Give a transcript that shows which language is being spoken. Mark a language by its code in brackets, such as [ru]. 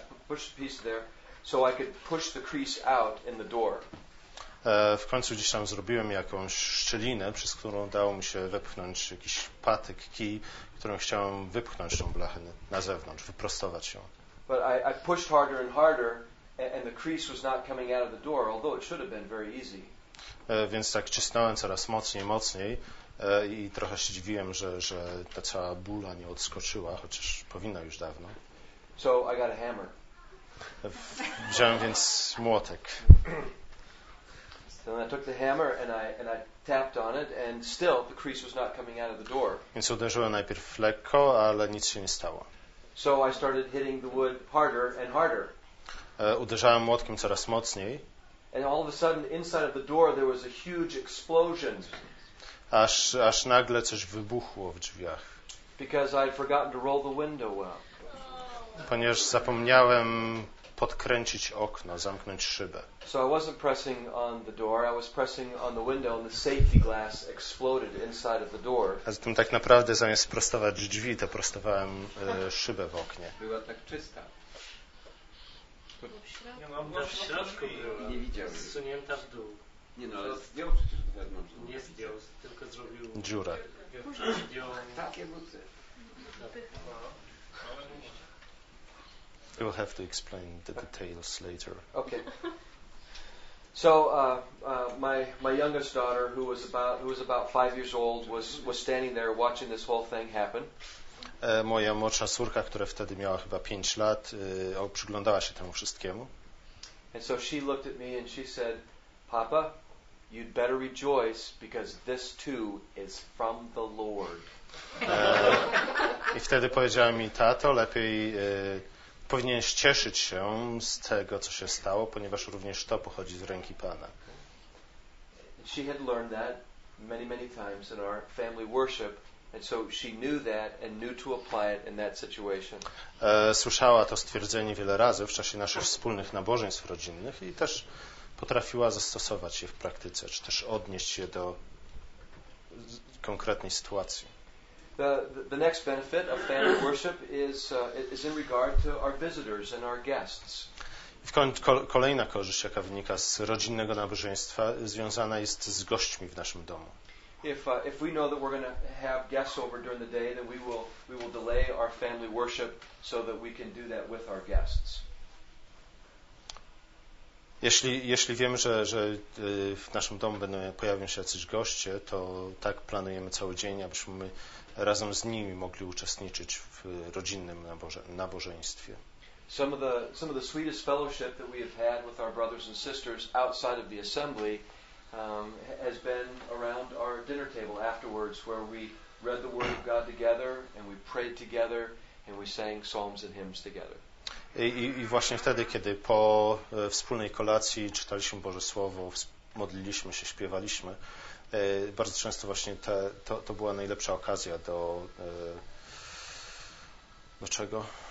[en] I pushed a piece there so I could push the crease out in the door. [pl] W końcu gdzieś tam zrobiłem jakąś szczelinę, przez którą dało mi się wepchnąć jakiś patyk, kij, którą chciałem wypchnąć tą blachę na zewnątrz, wyprostować ją. [en] But I pushed harder and harder and the crease was not coming out of the door, although it should have been very easy. [pl] Więc tak cisnąłem coraz mocniej, mocniej i trochę się dziwiłem, że ta cała bula nie odskoczyła, chociaż powinna już dawno. [en] So I got a hammer. [pl] Wziąłem więc młotek. [en] And I took the hammer and I tapped on it and still the crease was not coming out of the door. [pl] Więc uderzyłem najpierw lekko, ale nic się nie stało. [en] So I started hitting the wood harder and harder. [pl] Uderzałem młotkiem coraz mocniej. [en] And all of a sudden inside of the door there was a huge explosion. [pl] Aż nagle coś wybuchło w drzwiach. [en] Because I'd forgotten to roll the window well. [pl] Ponieważ zapomniałem podkręcić okno, zamknąć szybę. [en] So I wasn't pressing on the door, I was pressing on the window and the safety glass exploded inside of the door. [pl] A zatem tak naprawdę zamiast prostować drzwi, to prostowałem szybę w oknie. Była tak czysta. W środku była. Nie widziałem. Zsunięta w dół. Nie, no ale zdjął przecież do wewnątrz. Nie zdjął, tylko zrobił dziurę. Takie buty. [en] You'll have to explain the details later. Okay. So my youngest daughter, who was about 5 years old, was standing there watching this whole thing happen. [pl] Moja młodsza córka, która wtedy miała chyba 5 lat, przyglądała się temu wszystkiemu. [en] And so she looked at me and she said, "Papa, you'd better rejoice because this too is from the Lord." [pl] I wtedy powiedziała mi, tato, lepiej powinieneś cieszyć się z tego, co się stało, ponieważ również to pochodzi z ręki Pana. [en] She had learned that many, many times in our family worship, and so she knew that and knew to apply it in that situation. [pl] Słyszała to stwierdzenie wiele razy w czasie naszych wspólnych nabożeństw rodzinnych i też potrafiła zastosować je w praktyce, czy też odnieść je do konkretnej sytuacji. [en] The next benefit of family worship is in regard to our visitors and our guests. [pl] Kolejna korzyść, jaka wynika z rodzinnego nabożeństwa, związana jest z gośćmi w naszym domu. [en] If we know that we're going to have guests over during the day, then we will delay our family worship so that we can do that with our guests. [pl] Jeśli wiemy, że w naszym domu będą pojawią się jacyś goście, to tak planujemy cały dzień, abyśmy my razem z nimi mogli uczestniczyć w rodzinnym nabożeństwie. [en] Some of the sweetest fellowship that we have had with our brothers and sisters outside of the assembly has been around our dinner table afterwards, where we read the Word of God together and we prayed together and we sang psalms and hymns together. [pl] I właśnie wtedy, kiedy po wspólnej kolacji czytaliśmy Boże Słowo, modliliśmy się, śpiewaliśmy, bardzo często właśnie to była najlepsza okazja do czego?